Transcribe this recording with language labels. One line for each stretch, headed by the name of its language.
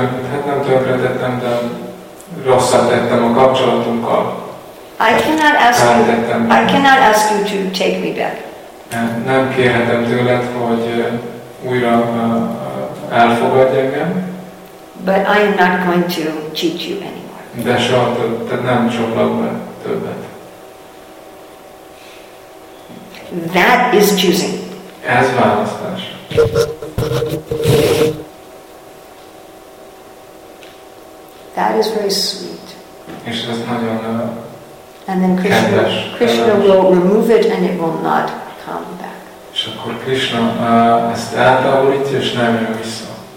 Hungarian: Nem tönkretettem, de rosszat tettem a kapcsolatunkkal.
English: I cannot ask you to take me back.
Hungarian: Nem kérhetem tőled, hogy újra elfogadj engem.
English: But I am not going to cheat you anymore.
Hungarian: De soha, te nem csoplak be többet.
English: That is choosing.
Hungarian: Ez választás.
English: That is very sweet.
Hungarian: És ez nagyon
English: And then Krishna will remove it and it will not come back.
Hungarian: És akkor Krishna ezt eltávolítja, és nem jön vissza.